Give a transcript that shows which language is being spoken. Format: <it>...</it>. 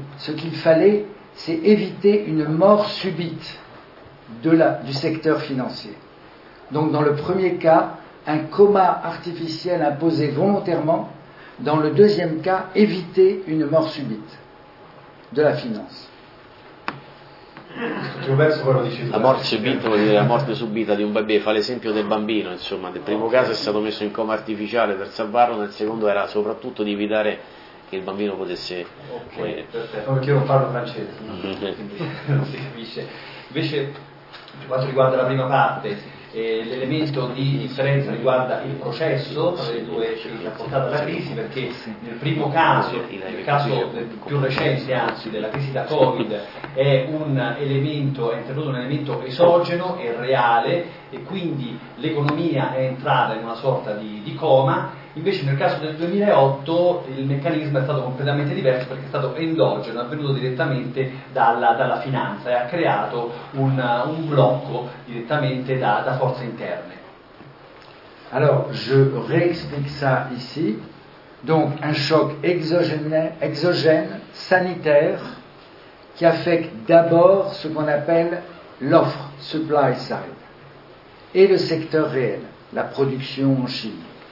<fr>Ce qu'il fallait, c'est éviter une mort subite du secteur financier. Donc dans le premier cas, un coma artificiel imposé volontairement, dans le deuxième cas, éviter une mort subite. De la finance.</fr> <it>La morte subita, vuol dire la morte subita di un bambino, fa l'esempio del bambino, insomma, nel primo caso è stato messo in coma artificiale per salvarlo, nel secondo era soprattutto di evitare che il bambino potesse. Ok, perfetto, perché io non parlo francese, no? Non si capisce. Invece, per quanto riguarda la prima parte, l'elemento di differenza riguarda il processo tra le due che ha portato alla crisi, perché nel primo caso, nel caso più recente anzi della crisi da Covid, è introdotto un elemento esogeno e reale, e quindi l'economia è entrata in una sorta di coma. Invece nel caso del 2008 il meccanismo è stato completamente diverso, perché è stato endogeno, è avvenuto direttamente dalla finanza e ha creato un blocco direttamente da forze interne.</it> <fr>Allora, je réexplique ça ici. Donc, un choc exogène sanitaire qui affecte d'abord ce qu'on appelle l'offre,</fr> <en>supply side,</en> <fr>et le secteur réel, la production en Chine.</fr>